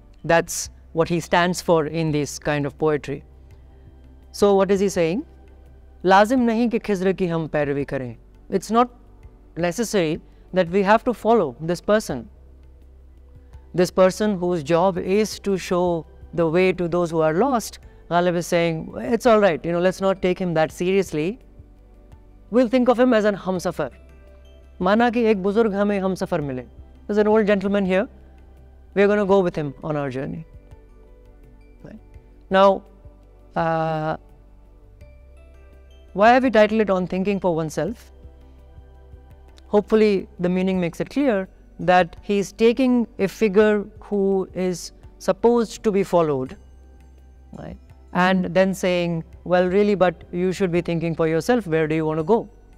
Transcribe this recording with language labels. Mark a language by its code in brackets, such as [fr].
[en] That's what he stands for in this kind of poetry. So what is he saying? [ur] لازم نہیں کہ خضر کی ہم پیروی کریں. [en] It's not necessary that we have to follow this person. This person whose job is to show the way to those who are lost, Ghalib is saying, it's all right, you know, let's not take him that seriously. We'll think of him as an humsafar. [ur] مانا کہ ایک بزرگ ہمیں ہمسفر ملے. [en] There's an old gentleman here. We are going to go with him on our journey. Right. Now, why have we titled it On Thinking for Oneself? Hopefully, the meaning makes it clear that he is taking a figure who is supposed to be followed, right, and then saying, well, really, but you should be thinking for yourself. Where do you want to go?